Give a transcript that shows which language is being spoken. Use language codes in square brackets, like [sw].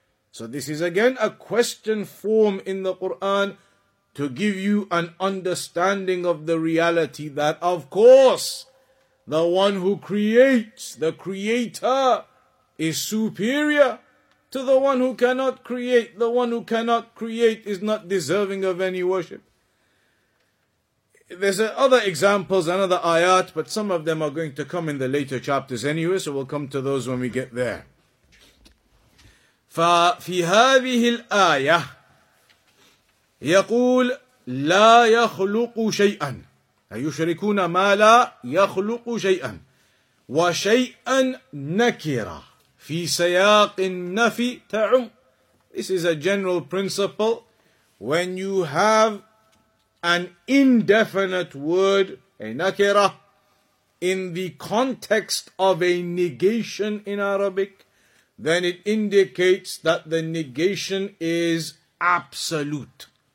[en] So this is again a question form in the Quran to give you an understanding of the reality that of course the one who creates, the creator, is superior to the one who cannot create. The one who cannot create is not deserving of any worship. There's other examples and other ayat, but some of them are going to come in the later chapters anyway, so we'll come to those when we get there. [ar] فَفِي هَذِهِ الْآيَةِ يَقُولُ لَا يَخْلُقُ شَيْئًا أَيُشْرِكُونَ مَا لَا يَخْلُقُ شَيْئًا وَشَيْئًا نَكِرًا في سياق النفي تعم. [en] This is a general principle. When you have an indefinite word, a nakira, in the context of a negation in Arabic, then it indicates that the negation is absolute.